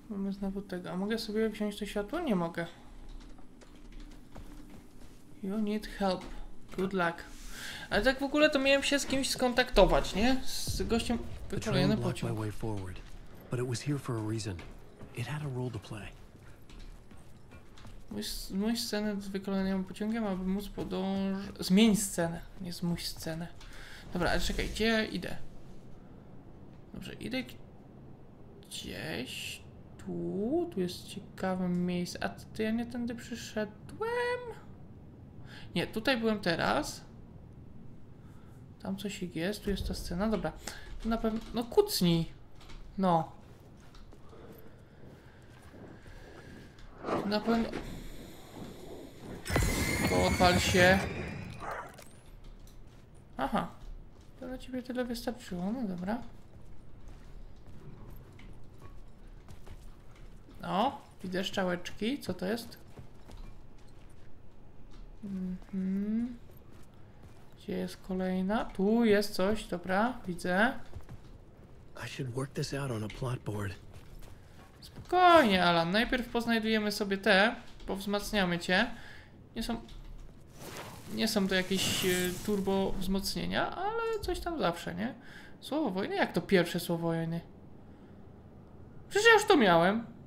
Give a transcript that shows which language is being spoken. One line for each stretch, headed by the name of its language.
Polish: Znowu tego. A mogę sobie wziąć to światło? Nie mogę.
English: You need help. Good luck.
Polish: Ale tak w ogóle to miałem się z kimś skontaktować, nie? Z gościem wykrojony pociąg.
English: My way forward, but it was here for a reason. It had a role to play.
Polish: Zmuś scenę z wykrojonym pociągiem, aby móc podążyć. Zmień scenę, nie zmuś scenę. Dobra, ale czekaj, gdzie idę? Dobrze, idę gdzieś. Tu jest ciekawe miejsce. A ty, ja nie tędy przyszedłem? Nie, tutaj byłem teraz. Tam coś jest, tu jest ta scena. Dobra, to na pewno... No kucnij! No. Na pewno... Odpal się. Aha. To dla ciebie tyle wystarczyło, no dobra. No, widzę strzałeczki, co to jest? Gdzie jest kolejna? Tu jest coś, dobra, widzę.
English: I should work this out on a plot board.
Polish: Spokojnie, Alan. Najpierw poznajdujemy sobie te, powzmacniamy cię. Nie są to jakieś turbo wzmocnienia, ale coś tam zawsze, nie? Słowo wojny? Jak to pierwsze słowo wojny? Przecież ja już to miałem.